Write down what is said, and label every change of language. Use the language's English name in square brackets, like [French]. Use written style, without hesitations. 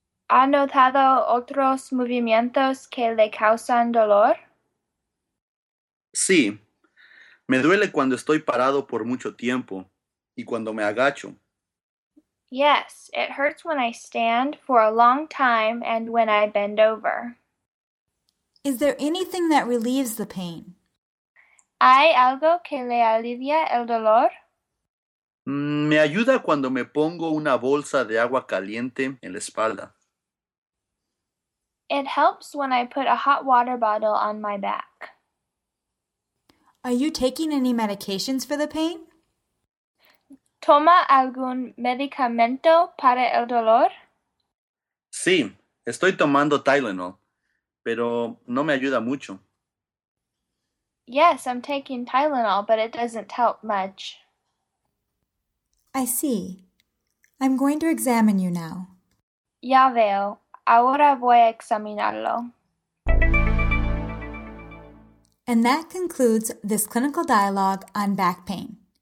[Spanish] ¿Ha notado otros movimientos que le causan dolor? Sí. Me duele cuando estoy parado por mucho tiempo y cuando me agacho. [English] Yes, it hurts when I stand for a long time and when I bend over. Is there anything that relieves the pain? [Spanish] ¿Hay algo que le alivia el dolor? Me ayuda cuando me pongo una bolsa de agua caliente en la espalda. [English] It helps when I put a hot water bottle on my back. Are you taking any medications for the pain? [Spanish] ¿Toma algún medicamento para el dolor? Sí, estoy tomando Tylenol, pero no me ayuda mucho. [English] Yes, I'm taking Tylenol, but it doesn't help much. I see. I'm going to examine you now. [Spanish] Ya veo. Ahora voy a examinarlo. [English] And that concludes this clinical dialogue on back pain.